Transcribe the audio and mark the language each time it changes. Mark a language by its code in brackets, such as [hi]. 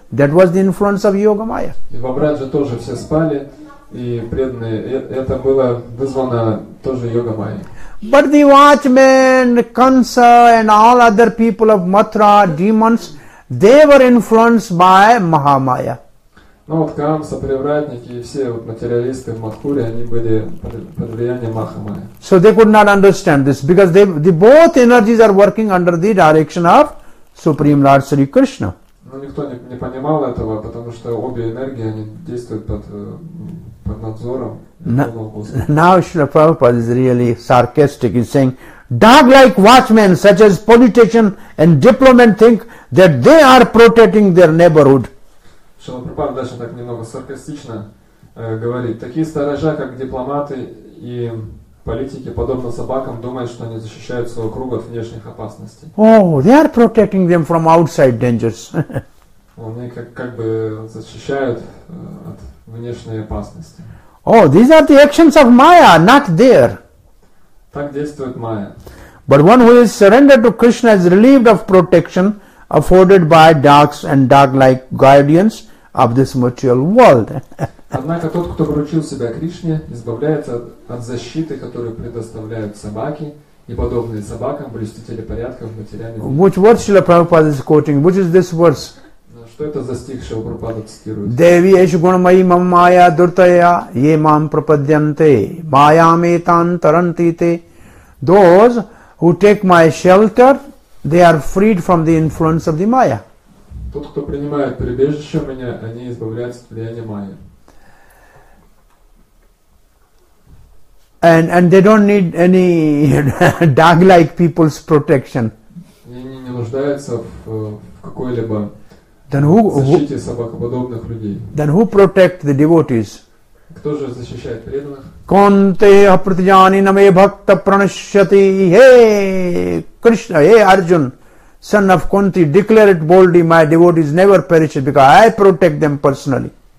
[en] That was the influence of Yoga Maya. [ru] Vabradja тоже все спали, и преданные, это было вызвано тоже Yoga Maya. [en] But the watchman, Kansa, and all other people of Mathura, demons, they were influenced by Mahamaya. [ru] Ну вот Камса, привратники и все вот материалисты в Матхуре, они были под влиянием Махамая. [en] So they could not understand this, because the both energies are working under the direction of Supreme Lord Sri Krishna. [ru] Ну никто не понимал этого, потому что обе энергии, они действуют под надзором. [en] Now Srila Prabhupada is really sarcastic, he's saying, dog-like watchmen such as politician and diplomat think that they are protecting their neighborhood. [ru] Шрила Прабхупада дальше так немного саркастично говорит. Такие сторожа, как дипломаты и политики, подобно собакам, думают, что они защищают своего круга от внешних опасностей. [en] Oh, they are protecting them from outside dangers. [ru] Они как бы защищают от внешней опасности. [en] Oh, these are the actions of Maya, not there. [ru] Так действует Maya. [en] But one who is surrendered to Krishna is relieved of protection afforded by dogs and dog-like guardians of this material world. [ru] Однако тот, кто вручил себя Кришне, избавляется от защиты, которую предоставляют собаки и подобные собакам, блюстители порядка в материальном мире. [en] Which verse Srila Prabhupada is quoting? Which is this verse? [ru] Что это за стих, что Прабхупада цитирует? [sa] Деви еш гунамай мам мая дуртая, е мам пропадьянте, маям етан тарантите. [en] Those who take my shelter, they are freed from the influence of the Maya. [ru] Тот, кто принимает прибежище у меня, они избавляются от влияния Майя. [en] And they don't need any dog-like people's protection. [ru] Они не нуждаются в какой-либо защите собакоподобных людей. [en] Then who protect the devotees? [ru] Кто же защищает преданных? [sa] Конте апритяни наме бхакта пранашьяти, хе Кришна, хе Арджун, [en] son of Kunti, declare it boldly, my devotees never perish because I protect them personally.